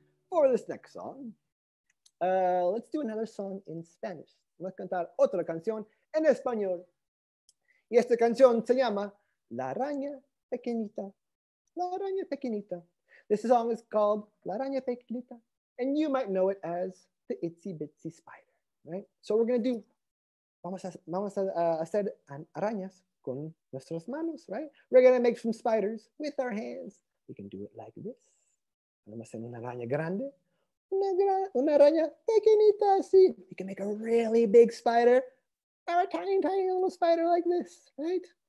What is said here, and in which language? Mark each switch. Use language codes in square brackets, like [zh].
[en] For this next song, let's do another song in Spanish. [es] Vamos a cantar otra canción en español. Y esta canción se llama La Araña Pequeñita. La Araña Pequeñita. [en] This song is called La Araña Pequeñita, and you might know it as the Itsy Bitsy Spider, right? [es] So [en] we're gonna do, [es] vamos a hacer arañas con nuestras manos, right? [en] We're gonna make some spiders with our hands. We can do it like this. [es] Vamos a hacer una araña grande, una araña pequeñita, así. [en] We can make a really big spider, or a tiny, tiny little spider like this, right?